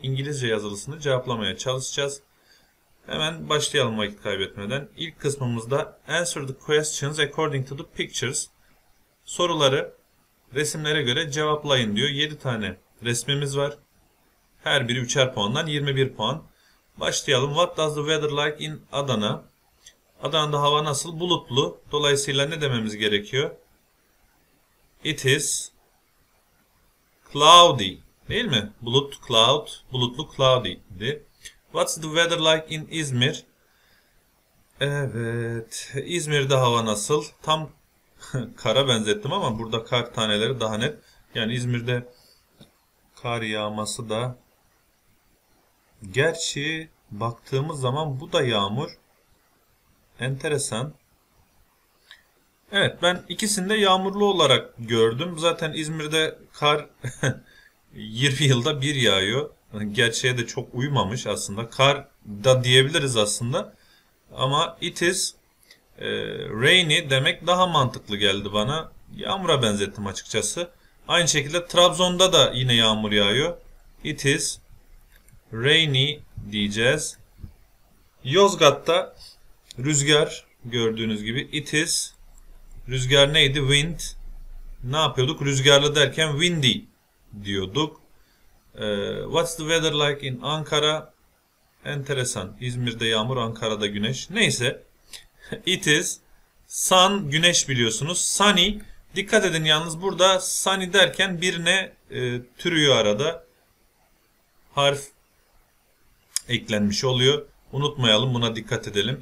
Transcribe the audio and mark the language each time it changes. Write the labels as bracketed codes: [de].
[tr] İngilizce yazılısını cevaplamaya çalışacağız. Hemen başlayalım vakit kaybetmeden. İlk kısmımızda [en] Answer the questions according to the pictures. [tr] Soruları resimlere göre cevaplayın diyor. 7 tane resmimiz var. Her biri 3'er puandan 21 puan. Başlayalım. [en] What does the weather like in Adana? [tr] Adana'da hava nasıl? Bulutlu. Dolayısıyla ne dememiz gerekiyor? [en] It is cloudy. [tr] Değil mi? Bulut, cloud, bulutlu, cloudy idi. [en] What's the weather like in İzmir? [tr] Evet. İzmir'de hava nasıl? Tam kara benzettim ama burada kar taneleri daha net. Yani İzmir'de kar yağması da. Gerçi baktığımız zaman bu da yağmur. Enteresan. Evet, ben ikisini de yağmurlu olarak gördüm. Zaten İzmir'de kar 20 yılda bir yağıyor. Gerçeğe de çok uymamış aslında. Kar da diyebiliriz aslında. Ama [en] it is rainy [tr] demek daha mantıklı geldi bana. Yağmura benzettim açıkçası. Aynı şekilde Trabzon'da da yine yağmur yağıyor. [en] It is rainy [tr] diyeceğiz. Yozgat'ta rüzgar gördüğünüz gibi it is rüzgar neydi? Wind. Ne yapıyorduk? Rüzgarlı derken windy diyorduk. [en] What's the weather like in Ankara? [tr] Enteresan. İzmir'de yağmur, Ankara'da güneş. Neyse. [en] It is sun, [tr] güneş biliyorsunuz. Sunny. Dikkat edin yalnız burada sunny derken birine türüyor arada. Harf eklenmiş oluyor. Unutmayalım, buna dikkat edelim.